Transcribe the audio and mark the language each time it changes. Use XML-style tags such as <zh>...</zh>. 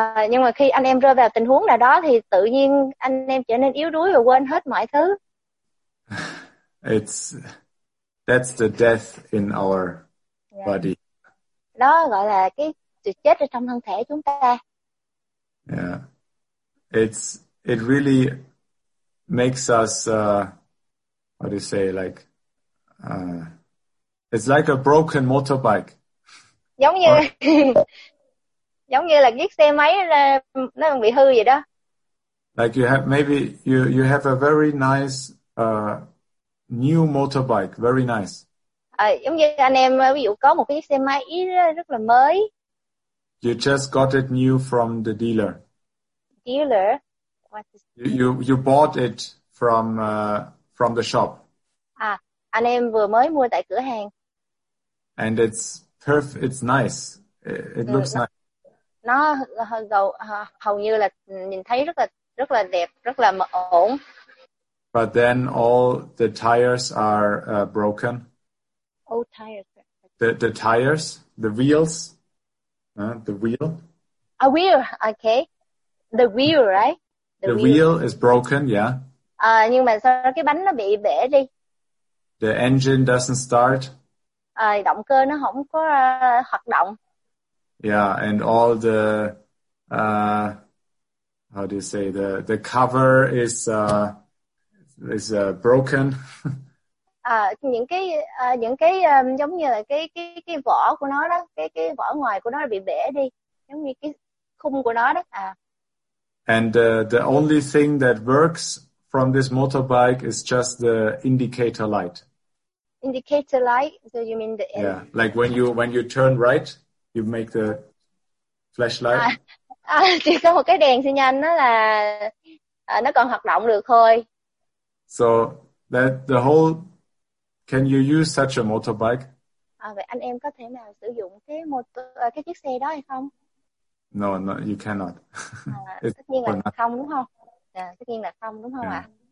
<vi>Nhưng mà khi anh em rơi vào tình huống nào đó thì tự nhiên anh em trở nên yếu đuối và quên hết mọi thứ.</vi> <en>That's the death in our body.</en> <vi>Đó gọi là cái sự chết ở trong thân thể chúng ta. Yeah.</vi> <en>It really makes us how do you say like it's like a broken motorbike.</en> <vi>Giống như giống như là chiếc xe máy nó bị hư vậy đó.</vi> <en>Like you have maybe you have a very nice new motorbike, very nice.</en> <vi>Giống như anh em ví dụ có một cái chiếc xe máy rất là mới.</vi> <en>You just got it new from the dealer. Dealer? You bought it from the shop.</en> <vi>Anh em vừa mới mua tại cửa hàng.</vi> <en>And it's perfect. It's nice. It looks nice.</en> <vi>Nó hầu như là nhìn thấy rất là đẹp, rất là ổn.</vi> <en>But then all the tires are broken. Old tires. The tires, the wheels, the wheel. A wheel, okay. The wheel, right? The wheel is broken, yeah.</en> <vi>Nhưng mà sao cái bánh nó bị bể đi.</vi> <en>The engine doesn't start.</en> <vi>Động cơ nó không có hoạt động.</vi> <en>Yeah, and all the how do you say the cover is broken.</en> <vi>những cái giống như là cái vỏ của nó đó, cái vỏ ngoài của nó bị bể đi, giống như cái khung của nó đó.</vi> <en>And the only thing that works from this motorbike is just the indicator light. Indicator light? So you mean the end? Yeah, like when you turn right, you make the flashlight.</en> <vi>Chỉ có một cái đèn xi nhan đó là nó còn hoạt động được thôi.</vi> <en>So that the whole, can you use such a motorbike?</en> <vi>Vậy anh em có thể nào sử dụng cái cái chiếc xe đó hay không?</vi> <en>No, no, you cannot.</en> <vi>Tất nhiên là không, đúng không? Tất nhiên là không, đúng không ạ?</vi>